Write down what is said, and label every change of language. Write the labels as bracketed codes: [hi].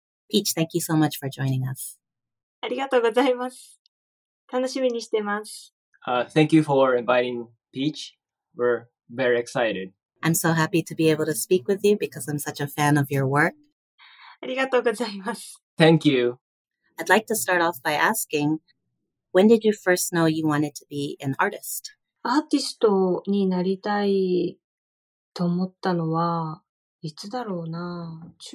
[en] Peach, thank you so much for joining us. [ja] ありがとうございます。楽しみにしてます。 [en] Thank you for inviting Peach. We're very excited. I'm so happy to be able to speak with you because I'm such a fan of your work. [ja] Arigatou gozaimasu. [en] Thank you. I'd like to start off by asking, when did you first know you wanted to be an artist? [ja] Artistになりたい と思ったのはいつだろうな。